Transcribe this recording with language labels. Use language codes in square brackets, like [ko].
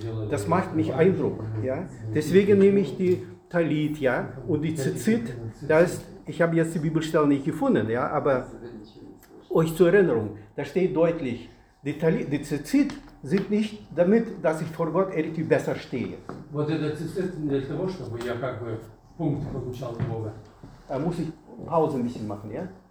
[de] Das macht mich Eindruck. Ja. Deswegen nehme ich die Talit, ja, und die Tzitzit, da ist, ich habe jetzt die Bibelstelle nicht gefunden, ja, aber euch zur Erinnerung, da steht deutlich, die Talit, die Tzitzit sind nicht damit, dass ich vor Gott irgendwie besser stehe. [ru] Вот это Tzitzit для того, чтобы я как бы Punkt получал Бога. [de] Da muss ich Pause ein bisschen machen, ja?